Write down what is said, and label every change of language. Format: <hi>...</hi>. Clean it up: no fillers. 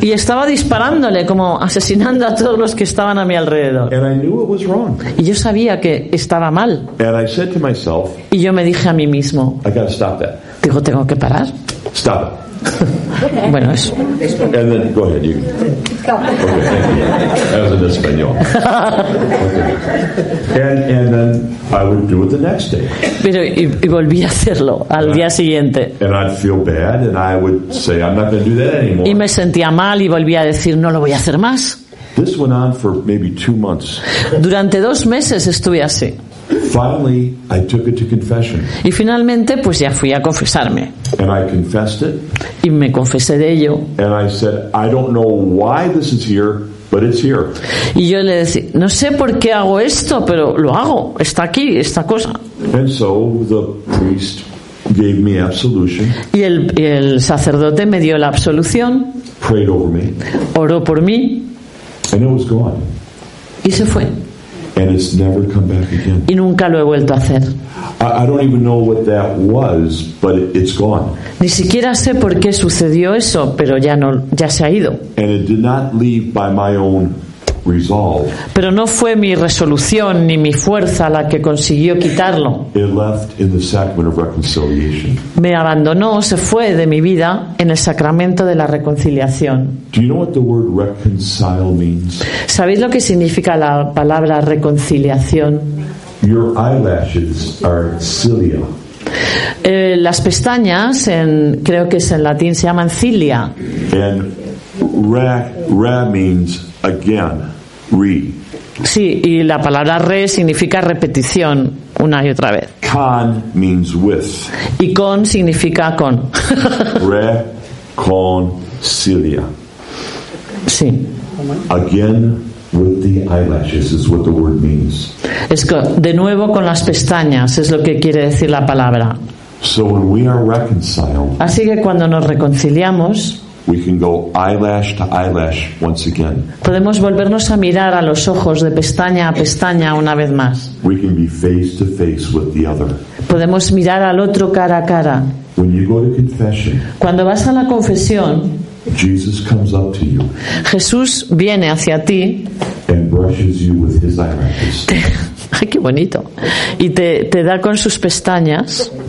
<es>Y estaba disparándole, como asesinando a todos los que estaban a mi alrededor.</es> <en>And I knew it was wrong.</en> <es>Y yo sabía que estaba mal.</es> <en>And I said to myself,</en> <es>y yo me dije a mí mismo,</es> <en>I gotta stop that.</en> <es>Digo, tengo que parar.</es> <en>Stop it.</en> <es>Bueno, eso.</es> <en>And then go ahead. You. Okay, thank you. That was in español. Okay. And then I would do it the next day.</en> <es>Pero y volví a hacerlo al día siguiente.</es> <en>And I'd feel bad, and I would say, I'm not going to do that anymore.</en> <es>Y me sentía mal y volví a decir, no lo voy a hacer más.</es> <en>This went on for maybe 2 months.</en> <es>Durante 2 meses estuve así.</es> <en>Finally, I took it to confession.</en> <es>Y finalmente, pues ya fui a confesarme.</es> <en>And I confessed it.</en> <es>Y me confesé de ello.</es> <en>And I said, I don't know why this is here, but it's here.</en> <es>Y yo le decía, no sé por qué hago esto, pero lo hago. Está aquí esta cosa.</es> <en>And so the priest gave me absolution.</en> <es>Y el sacerdote me dio la absolución.</es> <en>Prayed over me.</en> <es>Oró por mí.</es> <en>And it was gone.</en> <es>Y se fue.</es> <en>And it's never come back again.</en> <es>Y nunca lo he vuelto a hacer.</es> <en>I don't even know what that was, but it's gone.</en> <es>Ni siquiera sé por qué sucedió eso, pero ya se ha ido.</es> <en>And it did not leave by my own resolve.</en> <es>Pero no fue mi resolución ni mi fuerza la que consiguió quitarlo.</es> <en>It left in the sacrament of reconciliation.</en> <es>Me abandonó, se fue de mi vida en el sacramento de la reconciliación.</es> <en>Do you know what the word reconcile means?</en> <es>¿Sabéis lo que significa la palabra reconciliación?</es> <en>Your eyelashes are cilia.</en> <es>Las pestañas, creo que es en latín, se llaman cilia.</es> <en>And re means again, re.</en> <es>Sí, y la palabra re significa repetición una y otra vez.</es> <en>Con means with.</en> <es>Y con significa con.</es> <en>Re con cilia.</en> <es>Sí.</es> <en>Again with the eyelashes is what the word means.</en> <es>Es de nuevo con las pestañas, es lo que quiere decir la palabra.</es> <en>So when we are reconciled,</en> <es>así que cuando nos reconciliamos,</es> <en>we can go eyelash to eyelash once again.</en> <es>Podemos volvernos a mirar a los ojos de pestaña a pestaña una vez más.</es> <en>We can be face to face with the other.</en> <es>Podemos mirar al otro cara a cara.</es> <en>When you go to confession,</en> <es>cuando vas a la confesión,</es> <en>Jesus comes up to you.</en> <es>Jesús viene hacia ti.</es> <en>And brushes you with his eyelashes.</en> <es>Ay, qué bonito. Y te da con sus pestañas.</es>